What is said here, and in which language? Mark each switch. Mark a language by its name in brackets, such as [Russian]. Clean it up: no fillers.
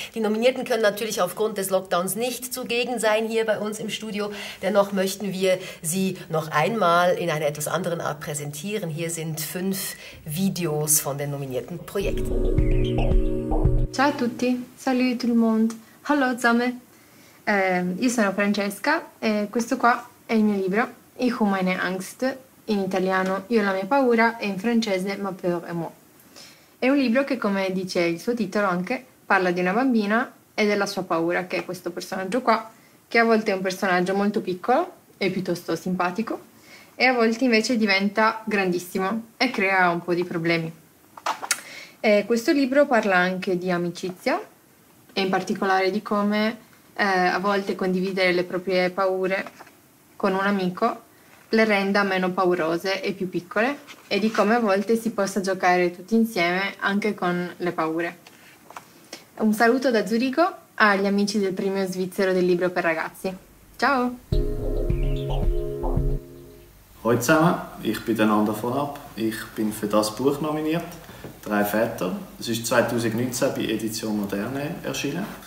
[German] Die Nominierten können natürlich aufgrund des Lockdowns nicht zugegen sein hier bei uns im Studio. Dennoch möchten wir sie noch einmal in einer etwas anderen Art präsentieren. Hier sind 5 Videos von den nominierten Projekten. [Italian] Ciao a tutti, [French] salut tout le monde, [German] hallo zusammen. [Italian] Io sono Francesca e questo qua è il mio libro, Ich habe meine Angst, in italiano Io la mia paura e in francese Ma peur è moi. È un libro che, come dice il suo titolo anche, parla di una bambina e della sua paura, che è questo personaggio qua, che a volte è un personaggio molto piccolo e piuttosto simpatico e a volte invece diventa grandissimo e crea un po' di problemi. Questo libro parla anche di amicizia e in particolare di come a volte condividere le proprie paure con un amico le renda meno paurose e più piccole e di come a volte si possa giocare tutti insieme anche con le paure. Un saluto da Zurigo agli amici del premio svizzero del libro per ragazzi. Ciao! [German] Hoi zusammen, ich bin Nanda von Ab. Ich bin für das Buch nominiert, Drei Väter. Es ist 2019 bei Edition Moderne erschienen.